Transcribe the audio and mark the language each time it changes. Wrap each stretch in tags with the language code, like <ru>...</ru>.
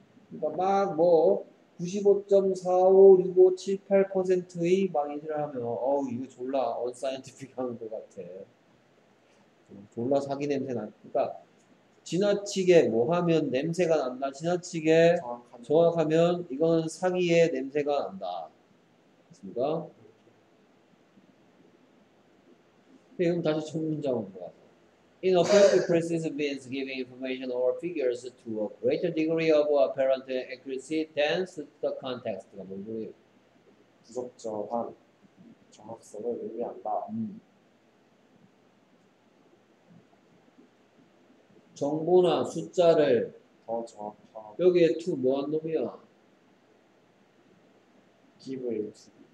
<ko>그러니까 막 뭐 95.456578%의 망인들을 하면 어우 이거 졸라 unscientific한 것 같아. 졸라 사기 냄새 나. 그러니까 지나치게 뭐 하면 냄새가 난다. 지나치게 정확하면 이건 사기의 냄새가 난다. 맞습니까? 그럼 다시 첫 문장으로 가서.</ko> <en>Inappropriate precision means giving information or figures to a greater degree of apparent accuracy than the context.</en> <ko>뭔 소리예요? 부적절한 정확성을 의미한다. 정보나 숫자를 더 정확하게 여기에 to 뭐한 놈이야?</ko> <en>give a to</en>